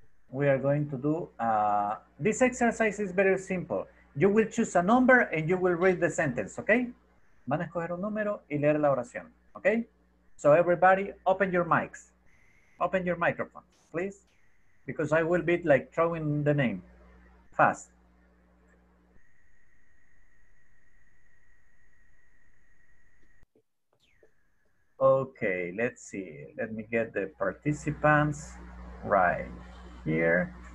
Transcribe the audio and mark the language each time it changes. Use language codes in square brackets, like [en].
[en] We are going to do, this exercise is very simple. You will choose a number and you will read the sentence, okay? [es] Van a escoger un número y leer la oración, okay? [en] So everybody, open your mics. Open your microphone, please. Because I will be like throwing the name fast. Okay, let's see. Let me get the participants right. Here.